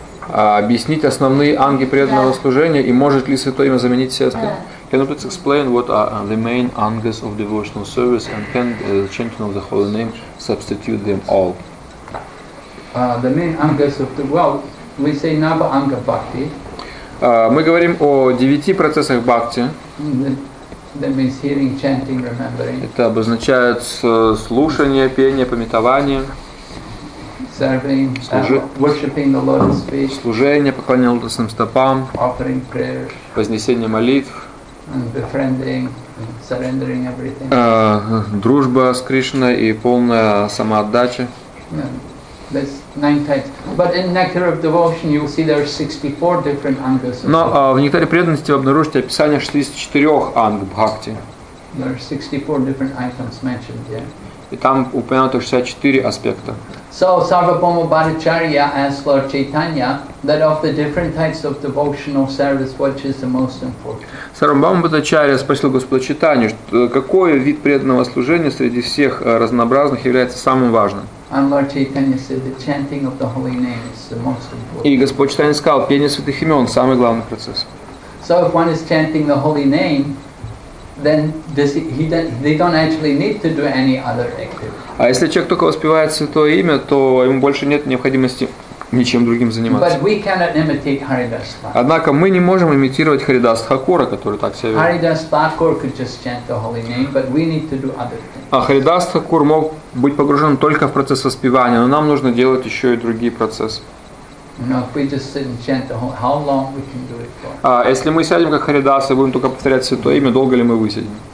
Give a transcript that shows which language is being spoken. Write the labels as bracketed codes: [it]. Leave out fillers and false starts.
[ru] объяснить основные анги преданного служения и может ли святое имя заменить все остальные? [en] Can you please explain what are the main angas of devotional service and can the chanting of the holy name substitute them all? The main angas of the world, we say nava anga bhakti. [ru] Мы говорим о девяти процессах бхакти. [en] That means hearing, chanting, remembering. [ru] Это обозначает слушание, пение, памятование. [en] Worshipping the lotus feet. [ru] Служение, поклонение лотосным стопам. [en] Offering prayers. [ru] Вознесение молитв. [en] And befriending, surrendering everything. [ru] Дружба с Кришной и полная самоотдача. [en] That's nine types. But in Nectar of Devotion you'll see there are 64 different angas. [ru] Но в Нектаре преданности вы обнаружите описание 64 анг бхакти. [en] There are 64 different items mentioned there. [ru] И там упомянуто 64 аспекта. [en] So Sarvabhauma Bhattacharya asked Lord Chaitanya that of the different types of devotional service, which is the most important? [ru] Sarvabhauma Bhattacharya спросил Господа Чайтанью, какой вид преданного служения среди всех разнообразных является самым важным? [en] And Lord Chaitanya said the chanting of the holy name is the most important. [ru] И Господь Чайтанья сказал, пение святых имен самый главный процесс. [en] So if one is chanting the holy name, then does he that they don't actually need to do any other activity. [ru] А если человек только воспевает святое имя, то ему больше нет необходимости ничем другим заниматься. [en] But we cannot imitate Haridas Thakur. [ru] Однако мы не можем имитировать Харидас Хакура, который так себя ведет. [en] Haridas Thakur could just chant the holy name, but we need to do other things. [ru] А Харидас Хакур мог быть погружен только в процесс воспевания, но нам нужно делать еще и другие процессы. [en] No, if we just sit and chant the whole, how long we can do it for? [ru] Если мы сядем как Харидас и будем только повторять святое имя, долго ли мы высидим?